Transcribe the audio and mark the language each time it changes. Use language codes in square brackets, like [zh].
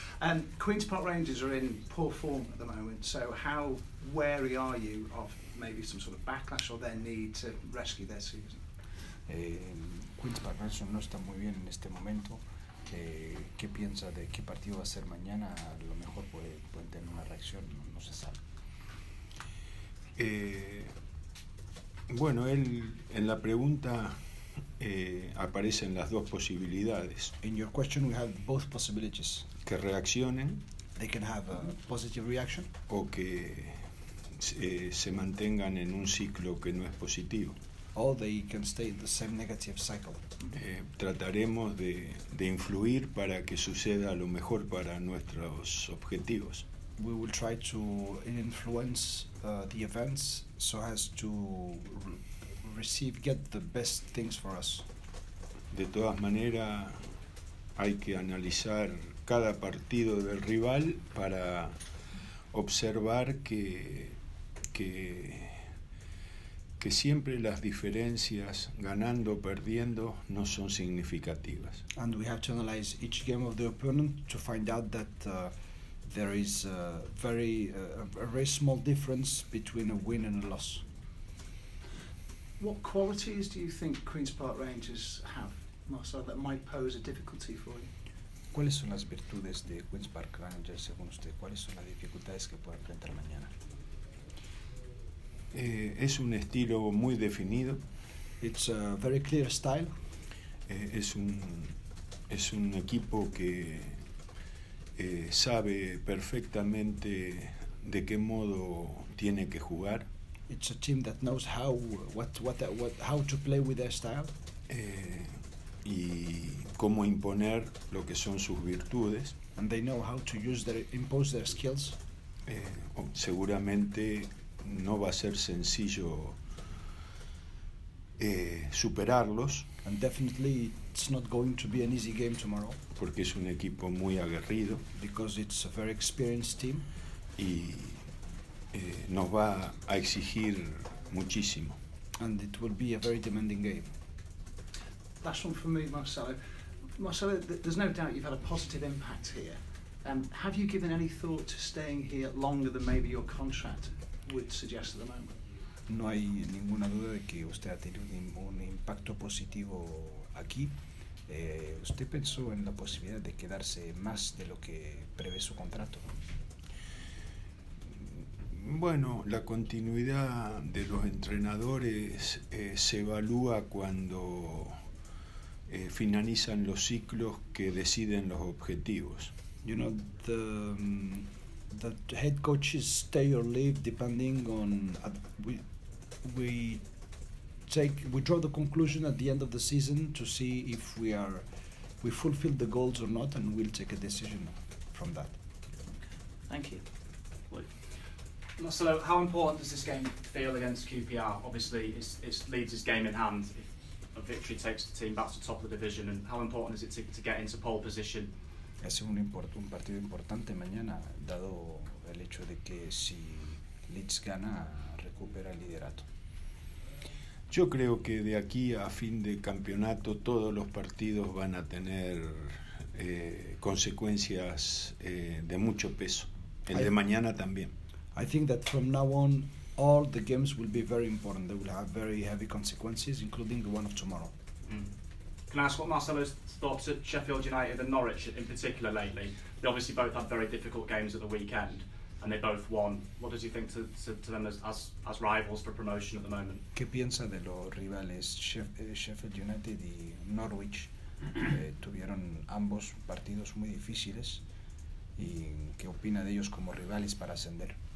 [en] And Queen's Park Rangers are in poor form at the moment, so how wary are you of maybe some sort of backlash or their need to rescue their season? [es] Queen's Park Rangers no está muy bien en este momento. ¿Qué piensa de qué partido va a ser mañana? A lo mejor pueden tener una reacción, no se sabe. Bueno, él en la pregunta aparecen las dos posibilidades. [en] In your question we have both possibilities. [es] Que reaccionen. [en] They can have a positive reaction. [es] O que se mantengan en un ciclo que no es positivo. [en] Or they can stay in the same negative cycle. [es] Trataremos de influir para que suceda lo mejor para nuestros objetivos. [en] We will try to influence the events so as to get the best things for us. [es] De todas maneras, hay que analizar cada partido del rival para observar que siempre las diferencias ganando o perdiendo no son significativas. [en] And we have to analyze each game of the opponent to find out that there is a very small difference between a win and a loss. What qualities do you think Queen's Park Rangers have, Marcel, that might pose a difficulty for you? [es] ¿Cuáles son las virtudes de Queen's Park Rangers según usted? ¿Cuáles son las dificultades que pueden enfrentar mañana? Es un estilo muy definido. [en] It's a very clear style. [es] Es un equipo que sabe perfectamente de qué modo tiene que jugar. [en] It's a team that knows how to play with their style. [es] Y cómo imponer lo que son sus virtudes. [en] And they know how to impose their skills. [es] Seguramente no va a ser sencillo superarlos. [en] And definitely it's not going to be an easy game tomorrow. [es] Porque es un equipo muy aguerrido. [en] Because it's a very experienced team. [es] Y nos va a exigir muchísimo. [en] And it will be a very demanding game. Last one from me, Marcelo, there's no doubt you've had a positive impact here. Have you given any thought to staying here longer than maybe your contract would suggest at the moment? [es] No hay ninguna duda de que usted ha tenido un impacto positivo aquí. ¿Usted pensó en la posibilidad de quedarse más de lo que prevé su contrato? Bueno, la continuidad de los entrenadores se evalúa cuando finalizan los ciclos que deciden los objetivos. [en] You know, the head coaches stay or leave depending on we draw the conclusion at the end of the season to see if we fulfill the goals or not, and we'll take a decision from that. Thank you. Marcelo, how important does this game feel against QPR? Obviously, it's Leeds' game in hand. If a victory takes the team back to the top of the division, and how important is it to get into pole position? [es] Es un partido importante mañana, dado el hecho de que si Leeds gana, recupera el liderato. Yo creo que de aquí a fin de campeonato todos los partidos van a tener consecuencias de mucho peso. El de mañana también. [en] I think that from now on all the games will be very important. They will have very heavy consequences, including the one of tomorrow. Mm. Can I ask what Marcelo's thoughts at Sheffield United and Norwich in particular lately? They obviously both had very difficult games at the weekend. And they both won. What does he think to them as rivals for promotion at the moment? [es] ¿Qué piensa de los rivales Sheffield United y Norwich? Tuvieron ambos partidos muy difíciles. ¿Y qué opina de ellos como rivales para ascender?